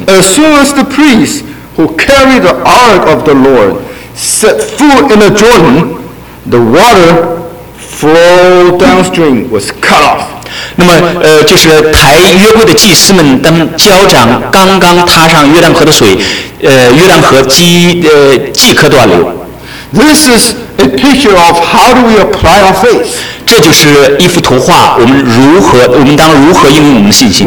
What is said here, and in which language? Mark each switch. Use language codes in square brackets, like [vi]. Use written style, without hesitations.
[en] As soon as the priest who carried the ark of the Lord set foot in the Jordan， the water flowed downstream was cut off。 [zh] 那么就是抬约柜的祭司们当脚掌刚刚踏上约旦河的水，约旦河即刻断流。 [en] This is a picture of how do we apply our faith， [zh] 这就是一幅图画，我们当如何应用我们的信心。